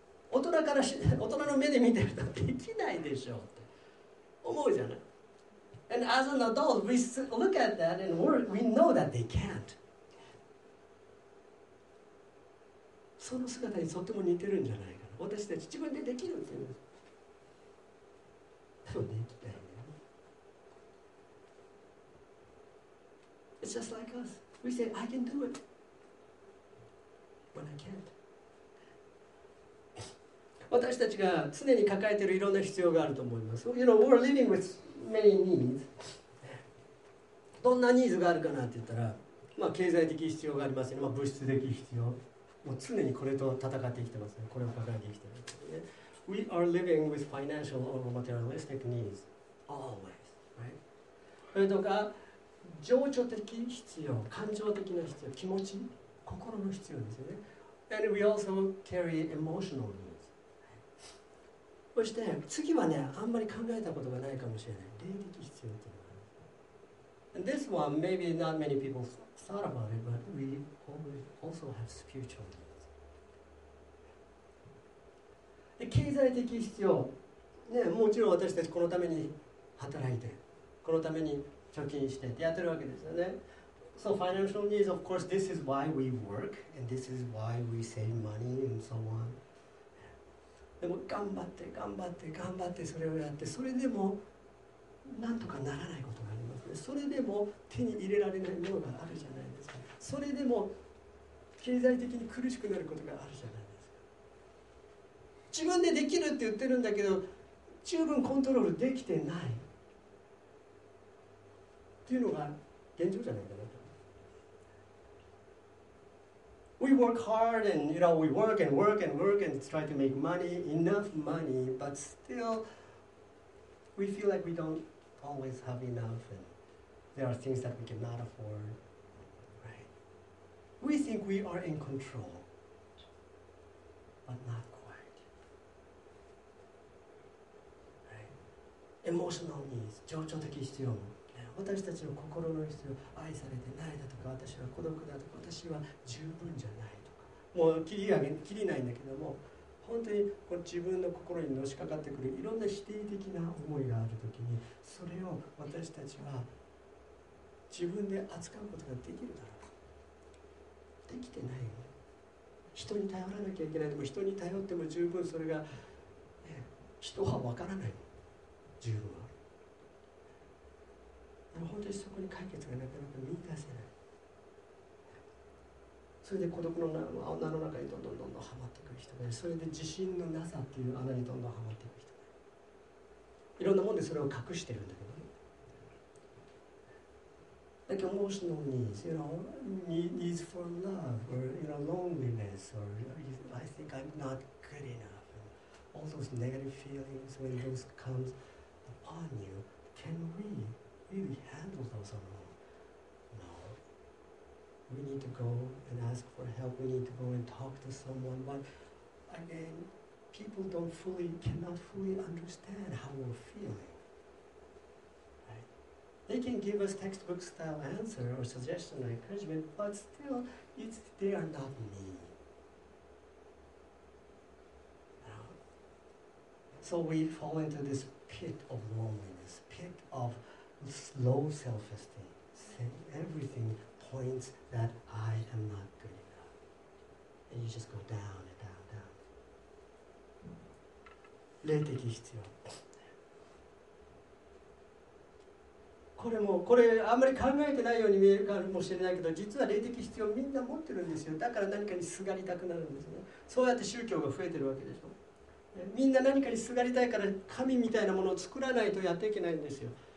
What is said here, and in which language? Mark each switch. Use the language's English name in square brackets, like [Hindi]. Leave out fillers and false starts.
[Japanese] 大人の目で見てるとできないでしょうって思うじゃない。 [English] And as an adult, we look at that and we know that they can't. [Japanese] その姿にとっても似てるんじゃないか。私たち自分でできるって言うんです。でもできないね。 [English] It's just like us. We say, I can do it. But I can't. [Japanese] 私たちが常に抱えているいろんな必要があると思います。 [English] You know, we're living with many needs. [Japanese] どんなニーズがあるかなって言ったら、まあ経済的必要がありますよね。まあ物質的必要。もう常にこれと戦って生きてますね。これを抱えて生きてますね。 [English] We are living with financial or materialistic needs always, right? [Japanese] それとか情緒的必要、感情的な必要、気持ち、心の必要ですよね。 [English] And we also carry emotional needs. [Japanese] そして次はね、あんまり考えたことがないかもしれない。霊的必要というのがある。 [English] And this one, maybe not many people thought about it, but we also have spiritual needs. [Japanese] 経済的必要、ね、もちろん私たちこのために働いて、このために貯金してってやってるわけですよね。 [English] So financial needs, of course, this is why we work, and this is why we save money, and so on. [Japanese] でも頑張って、頑張って、頑張ってそれをやって、それでもなんとかならないことがある。それでも手に入れられないものがあるじゃないですか。それでも経済的に苦しくなることがあるじゃないですか。自分でできるって言ってるんだけど、十分コントロールできてないっていうのが現状じゃないかなと。 [English] We work hard and, you know, we work and work and work and try to make money, enough money, but still we feel like we don't always have enough and there are things that we cannot afford, right? We think we are in control, but not quite, right? Emotional needs, [Japanese] 情緒的必要も 私たちの心の必要、愛されてないだとか、私は孤独だとか、私は十分じゃないとか、もう切りないんだけども、本当にこう自分の心にのしかかってくるいろんな否定的な思いがあるときに、それを私たちは自分で扱うことができるだろうか。できてないよ。人に頼らなきゃいけないとか、人に頼っても十分それが、ね、人は分からない。十分は。本当にそこに解決がなかなか見出せない。それで孤独の穴の中にどんどんどんどんはまっていく人がいる。それで自信のなさっていう穴にどんどんはまっていく人がいる。いろんなもんでそれを隠してるんだけどね。 [English] Like emotional needs, you know, needs for love, or you know, loneliness, or I think I'm not good enough. All those negative feelings, when those come upon you, can we? Really handle those alone? No. We need to go and ask for help. We need to go and talk to someone. But again, people cannot fully understand how we're feeling. Right? They can give us textbook style answer or suggestion or encouragement, but still, they are not me. No. So we fall into this pit of loneliness, pit of. Low self-esteem. Everything points that I am not good enough. And you just go down and down and down. [Japanese] 霊的必要。これも、これあんまり考えてないように見えるかもしれないけど、実は霊的必要みんな持ってるんですよ。だから何かにすがりたくなるんですね。そうやって宗教が増えてるわけでしょ。みんな何かにすがりたいから神みたいなものを作らないとやっていけないんですよ。